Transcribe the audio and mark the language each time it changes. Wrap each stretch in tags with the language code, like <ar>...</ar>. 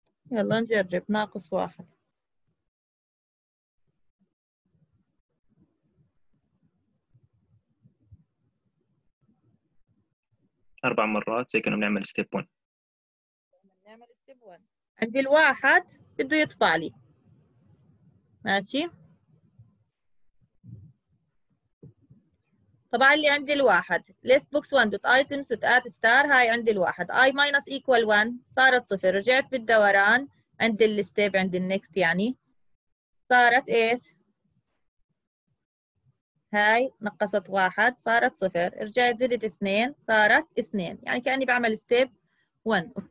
<ar>يلا نجرب ناقص واحد. أربع مرات زي كنا بنعمل step one. نعمل step one. عندي الواحد بده يطبع لي. ماشي. طبعا اللي عندي الواحد</ar> <en>list books one dot items dot add star.</en> <ar>هاي عندي الواحد</ar> <en>i minus equal one</en> <ar>صارت صفر، رجعت بالدوران عند ال step عند ال next يعني صارت ايش؟ هاي نقصت واحد صارت صفر، رجعت زدت اثنين صارت اثنين، يعني كأني بعمل step one.</ar>